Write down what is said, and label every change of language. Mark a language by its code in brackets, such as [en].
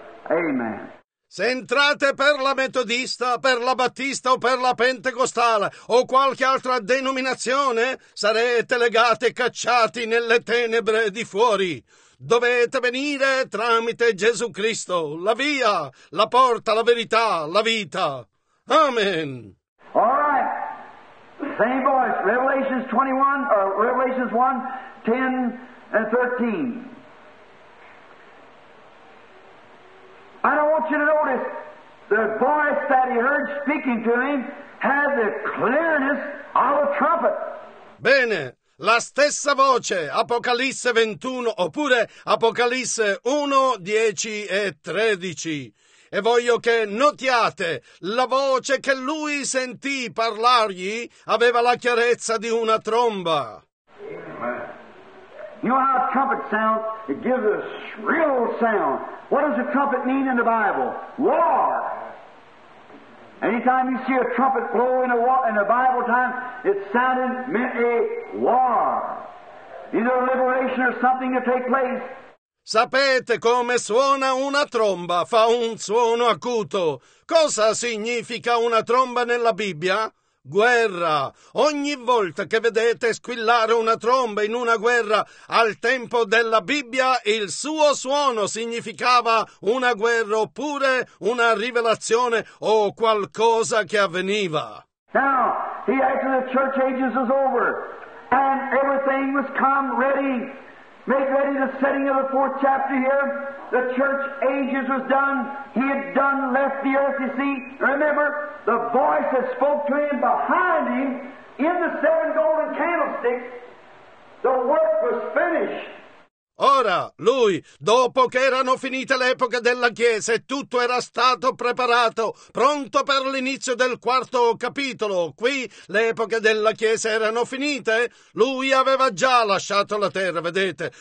[en] Amen. [it] Se entrate per la metodista, per la battista o per la pentecostale o qualche altra denominazione, sarete legati e cacciati nelle tenebre di fuori. Dovete venire tramite Gesù Cristo, la via, la porta, la verità, la vita. Amen. [en] All right. Same voice. Revelations 21, or Revelations 1, 10 and 13. I don't want you to notice the voice that he heard speaking to him had the clearness of a trumpet. [it] Bene, la stessa voce, Apocalisse 21, oppure Apocalisse 1, 10 e 13. E voglio che notiate, la voce che lui sentì parlargli aveva la chiarezza di una tromba. [en] You know how a trumpet sounds? It gives a shrill sound. What does a trumpet mean in the Bible? War! Anytime you see a trumpet blow in a Bible time, it sounded meant a war. Either a liberation or something to take place. [it] Sapete come suona una tromba? Fa un suono acuto. Cosa significa una tromba nella Bibbia? Guerra. Ogni volta che vedete squillare una tromba in una guerra, al tempo della Bibbia il suo suono significava una guerra oppure una rivelazione o qualcosa che avveniva. [en] Now, after the church ages was over and everything was come ready, made ready the setting of the fourth chapter here, the church ages was done, he had done left the earth, you see. Remember, the voice that spoke to him behind him in the seven golden candlesticks The work was finished. [it] Ora, lui, dopo che erano finite l'epoca della Chiesa e tutto era stato preparato, pronto per l'inizio del quarto capitolo, qui l'epoca della Chiesa erano finite, lui aveva già lasciato la terra, vedete.